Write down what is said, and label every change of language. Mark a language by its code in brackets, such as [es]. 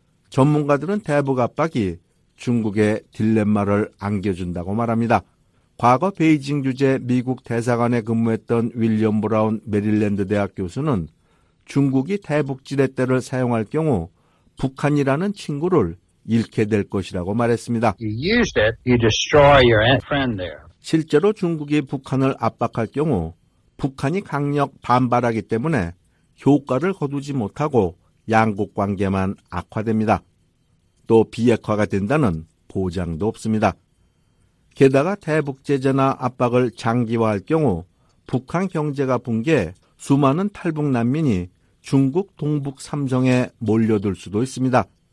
[ko] 전문가들은 대북 압박이 중국의 딜레마를 안겨준다고 말합니다. 과거 베이징 주재 미국 대사관에 근무했던 윌리엄 브라운 메릴랜드 대학 교수는 중국이 대북 지렛대를 사용할 경우 북한이라는 친구를 잃게 될 것이라고 말했습니다. [en] You used it, you destroy your friend there. [ko] 실제로 중국이 북한을 압박할 경우 북한이 강력 반발하기 때문에 효과를 거두지 못하고 양국 관계만 악화됩니다. 또 비핵화가 된다는 보장도 없습니다. 게다가 대북 제재나 압박을 장기화할 경우 북한 경제가 붕괴해 수많은 탈북 난민이 중국 동북 삼성에 몰려들 수도 있습니다.